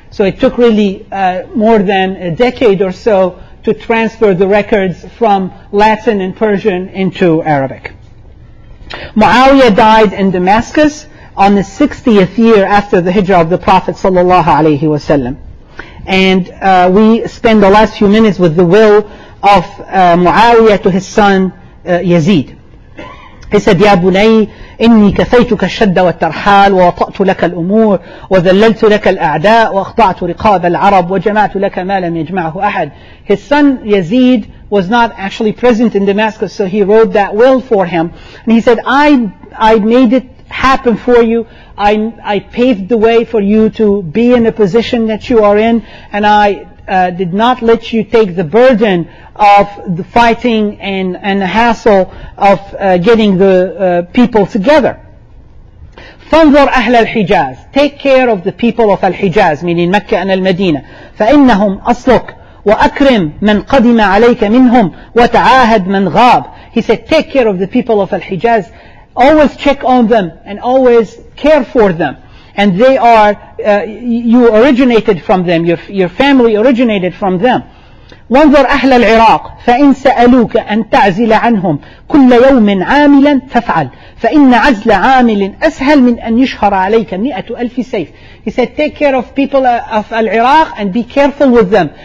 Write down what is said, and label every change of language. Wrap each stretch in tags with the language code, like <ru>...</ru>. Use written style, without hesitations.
<en>So it took really more than a decade or so to transfer the records from Latin and Persian into Arabic. Muawiyah died in Damascus on the 60th year after the Hijrah of the Prophet ﷺ. And we spend the last few minutes with the will of Muawiyah to his son Yazid. He said,</en> <ar>Ya Bunay, إني كفيتك الشد والترحال ووطأت لك الأمور وذللت لك الأعداء وأخضعت رقاب العرب وجمعت لك ما لم يجمعه أحد.</ar> <en>His son Yazid was not actually present in Damascus, so he wrote that will for him. And he said, I made it happen for you. I paved the way for you to be in the position that you are in, and I did not let you take the burden of the fighting and the hassle of getting the people together.</en> <ar>فانظر أهل الحجاز.</ar> <en>Take care of the people of الحجاز, meaning مكة and المدينة.</en> <ar>فإنهم أصلك وأكرم من قدم عليك منهم وتعاهد من غاب.</ar> <en>He said, take care of the people of الحجاز. Always check on them and always care for them. And they are, you originated from them, your family originated from them.</en> <ar>وانظر أهل العراق فإن سألوك أن تعزل عنهم كل يوم عاملا فافعل فإن عزل عامل أسهل من أن يشهر عليك 100,000 سيف.</ar> <en>He said, take care of people of Iraq and be careful with them.</en>